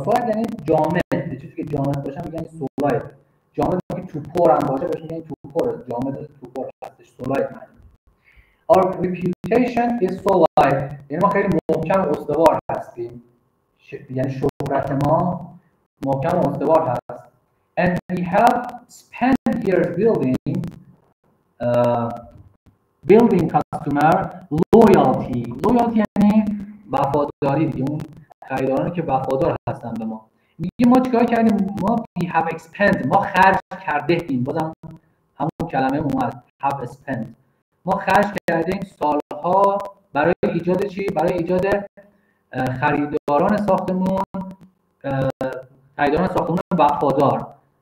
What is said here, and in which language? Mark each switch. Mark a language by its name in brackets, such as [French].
[Persian] Solid یعنی جامد. به چیزی که جامد باشه یعنی solid. جامد که توپر هم باشه باشه یعنی توپر. جامد توپر هستش. Solid معنی. [English] Our reputation is solid. [Persian] یعنی ما خیلی محکم و استوار هستیم. یعنی شهرت ما محکم و استوار هست. [English] And we have spent years building building customer loyalty. [Persian] Loyalty یعنی وفاداری. اون خریدارانی که وفادار هستن به ما. میگه ما چیکار کردیم؟ ما [English] we have spent. [Persian] ما خرج کرده ایم. بازم همون کلمه اومد. [English] Have spent. [Persian] ما خرج کردیم سالها برای ایجاد چی؟ برای ایجاد خریداران ساختمون، خریداران ساختمون وفادار.